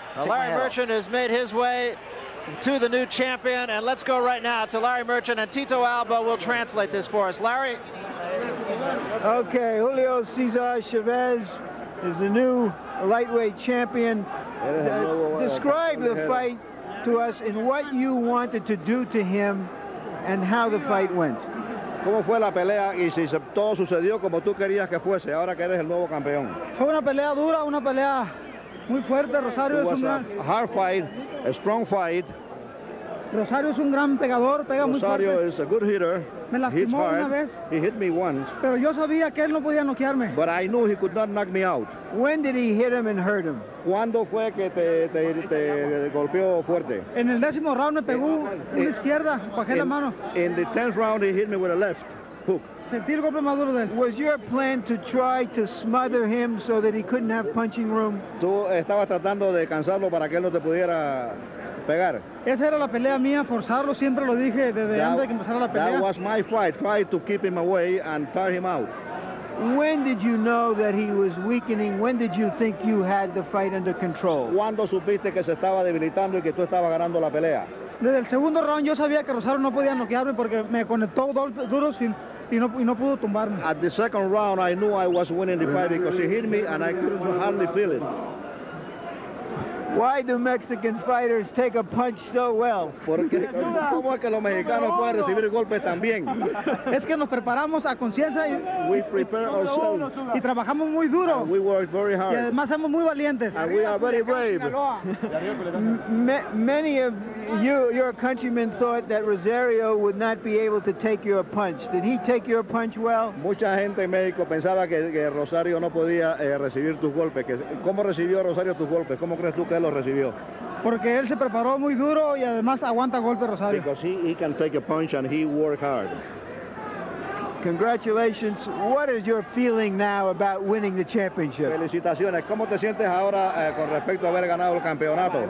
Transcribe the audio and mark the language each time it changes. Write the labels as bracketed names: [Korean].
[English] Well, Larry Merchant has made his way to the new champion, and let's go right now to Larry Merchant, and Tito Alba will translate this for us. Larry? Okay, Julio Cesar Chavez is the new lightweight champion. Describe the fight to us and what you wanted to do to him and how the fight went. [Spanish] ¿Cómo fue la pelea y si todo sucedió como tú querías que fuese ahora que eres el nuevo campeón? Fue una pelea dura, una pelea muy fuerte. Rosario es un [English] hard fight, a strong fight. [Spanish] Rosario es un gran pegador, pega muy fuerte. [English] Rosario is a good hitter. [Spanish] Me lastimó una vez. [English] He hit me once. [Spanish] Pero yo sabía que él no podía noquearme. [English] But I knew he could not knock me out. When did he hit him and hurt him? [Spanish] ¿Cuándo fue que te golpeó fuerte? En el décimo round me pegó una izquierda, bajé la mano. [English] In the 10th round he hit me with a left hook. [Spanish] Sentí el golpe maduro de él. [English] Was your plan to try to smother him so that he couldn't have punching room? [Spanish] Tú estabas tratando de cansarlo para que él no te pudiera pegar. Esa era la pelea mía, forzarlo, siempre lo dije desde antes de que empezara la pelea. [English] That was my fight, try to keep him away and tire him out. When did you know that he was weakening? When did you think you had the fight under control? [Spanish] ¿Cuándo supiste que se estaba debilitando y que tú estabas ganando la pelea? Desde el segundo round yo sabía que Rosario no podía noquearme porque me conectó duro y no pudo tumbarme. [English] At the second round I knew I was winning the fight because he hit me and I could hardly feel it. Why do Mexican fighters take a punch so well? [Spanish] Porque cómo es que los mexicanos pueden recibir golpes también. Es que nos preparamos a conciencia y [English] we prepare ourselves [Spanish] y trabajamos muy duro. [English] And we work very hard. [Spanish] Y además somos muy valientes. [English] And we are very brave. Many of you, your countrymen, thought that Rosario would not be able to take your punch. Did he take your punch well? [Spanish] Mucha gente en México pensaba que Rosario no podía recibir tus golpes. ¿Cómo recibió Rosario tus golpes? ¿Cómo crees tú que lo recibió? Porque él se preparó muy duro y además aguanta golpe Rosario. [English] Because he can take a punch and he work hard. Congratulations. What is your feeling now about winning the championship? [Spanish] Felicitaciones. ¿Cómo te sientes ahora con respecto a haber ganado el campeonato?